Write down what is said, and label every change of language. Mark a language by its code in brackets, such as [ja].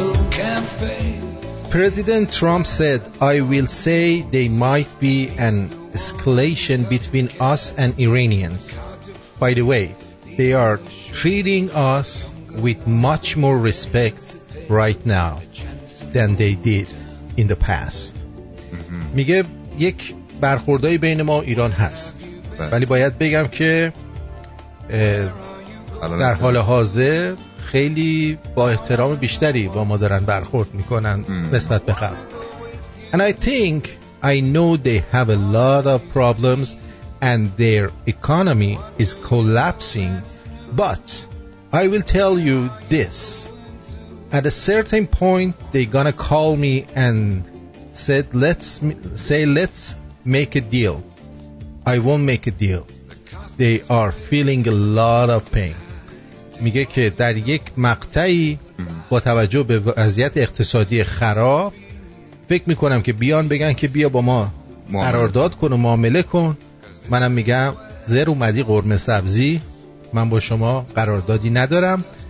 [en] President Trump said, I will say there might be an escalation between us and Iranians. By the way, they are treating us with much more respect right now than they did in the past. [fa] میگه یک برخوردای بین ما ایران هست. ولی باید بگم که در حال حاضر خیلی با احترام بیشتری با ما دارن برخورد میکنن نسبت به خب. [en] And I think I know they have a lot of problems and their economy is collapsing. But I will tell you this. At a certain point they gonna call me and said let's make a deal. I won't make a deal. They are feeling a lot of pain. [fa] میگه که در یک مقطعی با توجه به وضعیت اقتصادی خراب فکر میکنم که بیان بگن که بیا با ما قرارداد کن و معامله کن، منم میگم زر اومدی قرمه سبزی، من با شما قراردادی ندارم،